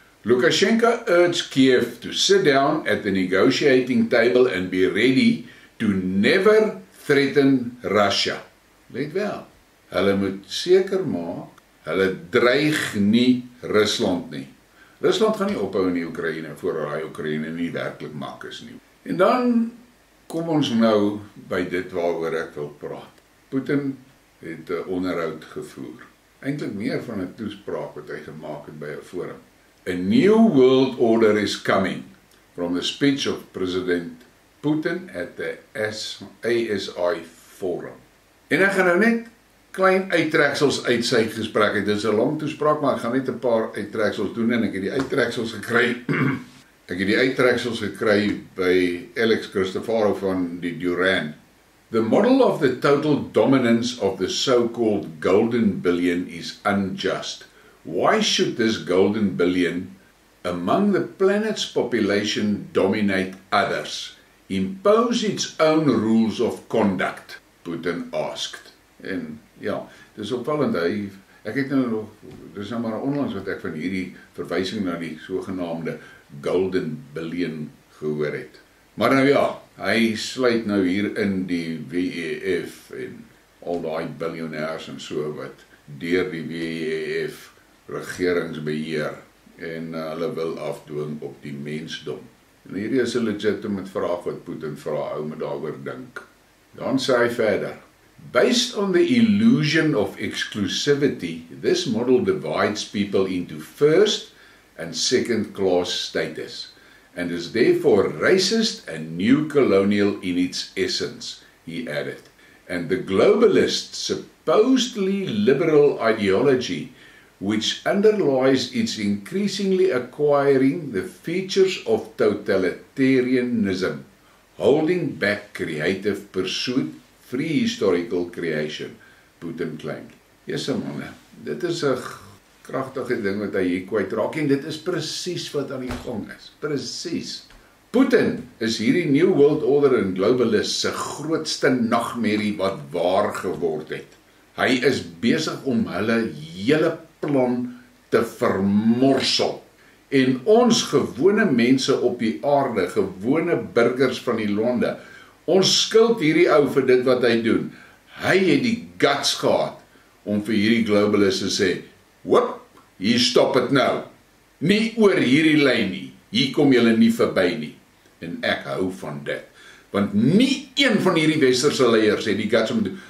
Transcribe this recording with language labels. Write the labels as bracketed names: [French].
[English] Lukashenko urged Kiev to sit down at the negotiating table and be ready to never threaten Russia. [Afrikaans] Let wel, hulle moet seker maak, hulle dreig nie Rusland nie. Rusland gaan nie ophou in die Oekraïne voordat die Oekraïne nie werklik mak is nie. En dan kom ons nou by dit waaroor ek wil praat. Putin het 'n onderhoud gevoer. Eintlik meer van 'n toespraak wat hy gemaak het by 'n forum. [English] A new world order is coming from the speech of President Putin at the ASI forum. [Afrikaans] En ek gaan nou net klein uittreksels uit sy gesprek het. Dit is 'n lang toespraak, maar ek gaan net 'n paar uittreksels doen en ek het die uittreksels gekry. Ek het die uittreksels gekry by Alex Christofaro van die Duran. [English] The model of the total dominance of the so-called golden billion is unjust. Why should this golden billion among the planet's population dominate others? Impose its own rules of conduct, Putin asked. [Afrikaans] En ja, dis opvallend, ek het nou nog, dis nou maar onlangs wat ek van hierdie verwysing na die sogenaamde golden billion gehoor het. Maar nou ja, hy sluit nou hier in die WEF en al die billionaires en so wat deur die WEF regeringsbeheer en hulle wil afdwing op die mensdom. En hierdie is 'n legitimate vraag wat Putin vra, hou met daaroor dink. Dan sê hy verder, [English] based on the illusion of exclusivity, this model divides people into first and second class status, and is therefore racist and new colonial in its essence, he added. And the globalist, supposedly liberal ideology, which underlies its increasingly acquiring the features of totalitarianism, holding back creative pursuit, free historical creation, Putin claimed. Yes, man, [Afrikaans] dit is 'n kragtige ding wat hy hier kwyt raak en dit is presies wat aan die gang is. Presies. Putin is hierdie New World Order en globalist se grootste nagmerrie wat waar geword het. Hy is besig om hulle hele plan te vermorsel. En ons gewone mense op die aarde, gewone burgers van die lande, ons skuld hierdie ou vir dit wat hy doen. Hy het die guts gehad om vir hierdie globalist te sê, hoop, hier stop het nou. Nie oor hierdie lyn nie. Hier kom julle nie verby nie. En ek hou van dit. Want nie een van hierdie westerse leiers het die guts om te doen.